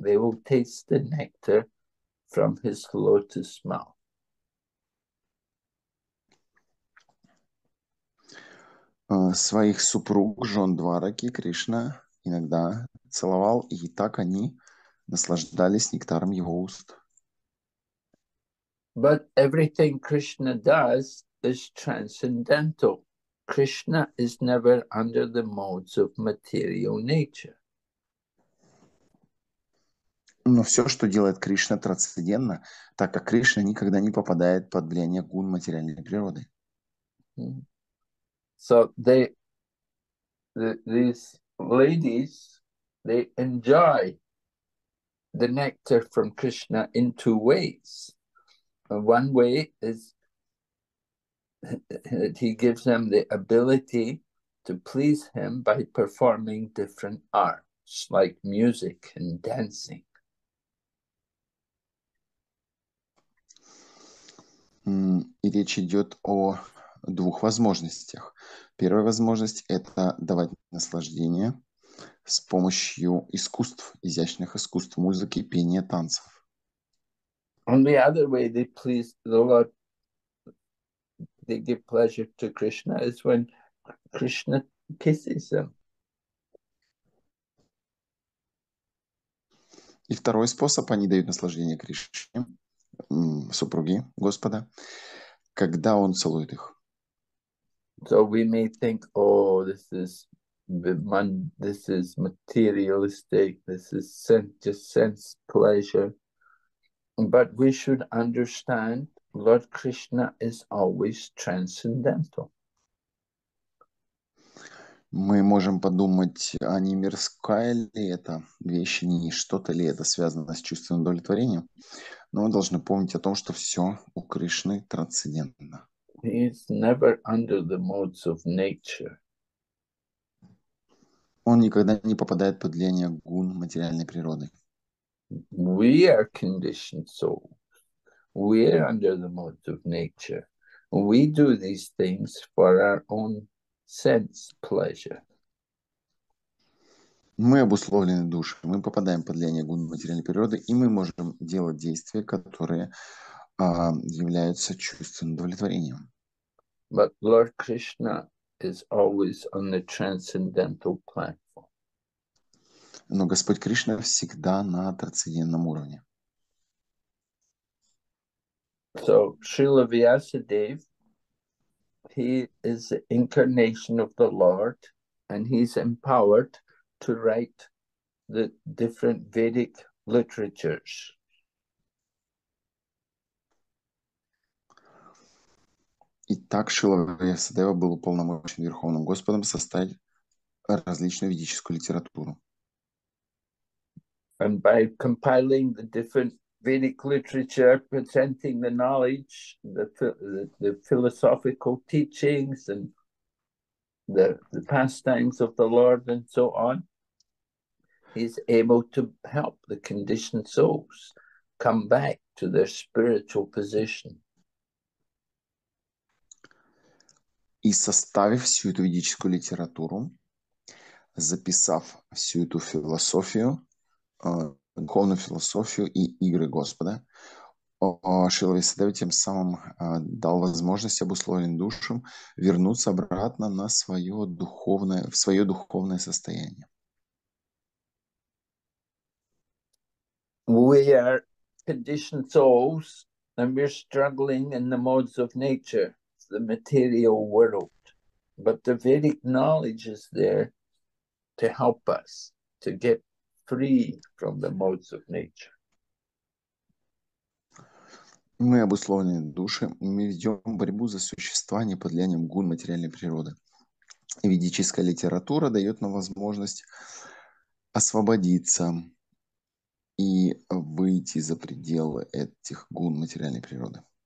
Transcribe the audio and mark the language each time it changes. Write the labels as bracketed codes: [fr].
[en] They will taste the nectar from his lotus mouth. [ru] Своих супруг, жен Двараки, Кришна иногда целовал, и так они наслаждались нектаром его уст. [en] But everything Krishna does is transcendental. Krishna is never under the modes of material nature. [ru] Но все, что делает Кришна, трансцендентно, так как Кришна никогда не попадает под влияние гун материальной природы. [en] So these ladies, they enjoy the nectar from Krishna in two ways. One way is that he gives them the ability to please him by performing different arts like music and dancing. [ru] И речь идет о двух возможностях. Первая возможность – это давать наслаждение с помощью искусств, изящных искусств, музыки, пения, танцев. [en] On the other way, they please the Lord. they give pleasure to Krishna is when Krishna kisses them. [ru] И второй способ, они дают наслаждение Кришне, супруги Господа, когда он целует их. [en] So we may think, oh, this is materialistic, this is just sense pleasure. But we should understand Lord Krishna is always transcendental. [ru] Мы можем подумать, а не мирская ли это вещь, не что-то ли это связано с чувством удовлетворения, но мы должны помнить о том, что все у Кришны трансцендентно. [en] He is never under the modes of nature. [ru] Он никогда не попадает под влияние гун материальной природы. [en] We are conditioned souls. We are under the modes of nature. We do these things for our own sense pleasure. [ru] Мы обусловлены душой, мы попадаем под влияние гун материальной природы, и мы можем делать действия, которые являются чувственным удовлетворением. [en] But Lord Krishna is always on the transcendental platform. [ru] Но Господь Кришна всегда на трансцендентном уровне. [en] So Srila Vyasadeva, he is the incarnation of the Lord, and he's empowered to write the different Vedic literatures. [ru] Итак, Шрила Вьясадева был уполномочен Верховным Господом составить различную ведическую литературу. [en] And by compiling the different Vedic literature, presenting the knowledge, the philosophical teachings, and the pastimes of the Lord, and so on, he's able to help the conditioned souls come back to their spiritual position. [ru] И составив всю эту ведическую литературу, записав всю эту философию, духовную философию и игры Господа, Шрила Вьясадева тем самым дал возможность обусловленным душам вернуться обратно на свое духовное, в свое духовное состояние. [en] We are conditioned souls, and we're struggling in the modes of nature, the material world. But the Vedic knowledge is there to help us to get free from the modes of nature. [ru] Мы обусловлены души, мы ведем борьбу за существование под влиянием гун материальной природы. И ведическая литература дает нам возможность освободиться и выйти за пределы этих гун материальной природы.